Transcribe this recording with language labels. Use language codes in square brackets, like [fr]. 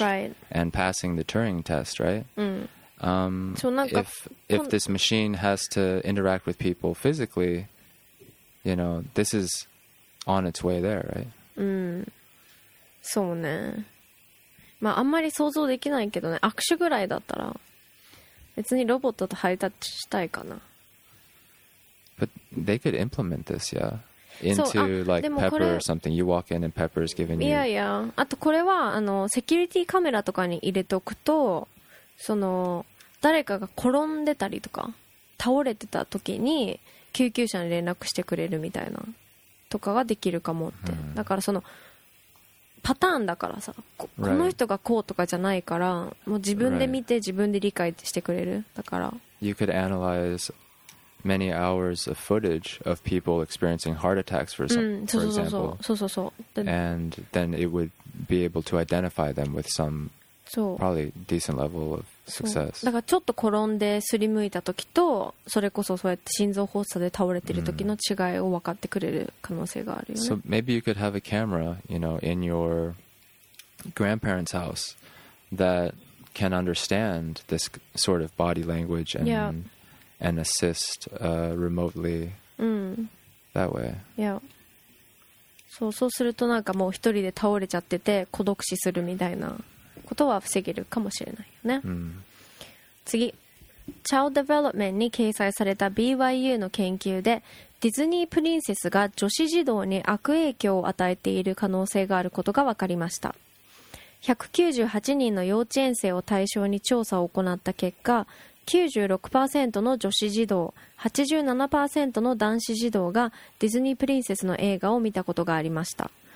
[en] right. And passing the Turing test, right? So if this machine has to interact with people physically, you know, this is... On its way there, right? [ja] うん、そうね。まああんまり想像できないけどね。握手ぐらいだったら、別にロボットとハイタッチしたいかな。 [en] But they could implement this, yeah, into like Pepper or something. You walk in and Pepper is giving you. [ja] いやいや。あとこれはあのセキュリティカメラとかに入れておくと、その誰かが転んでたりとか倒れてた時に救急車に連絡してくれるみたいな。とかができるかもって、hmm. だからそのパターンだからさ [en] right. [ja] この人がこうとかじゃないからもう自分で見て自分で理解してくれるだから [en] You could analyze many hours of footage of people experiencing heart attacks for example and then it would be able to identify them with some probably decent level of success [ja] だからちょっと転んですりむいた時とそれこそそうやって心臓発作で倒れてる時の違いを分かってくれる可能性があるよね [en] So maybe you could have a camera, you know, in your grandparents' house that can understand this sort of body language and, yeah. and assist remotely that way Yeah [ja] そう、そうするとなんかもう一人で倒れちゃってて孤独死するみたいなことは防げるかもしれないよね、うん、次 Child Development に掲載された BYU の研究でディズニープリンセスが女子児童に悪影響を与えている可能性があることが分かりました198人の幼稚園生を対象に調査を行った結果 96% の女子児童 87% の男子児童がディズニープリンセスの映画を見たことがありました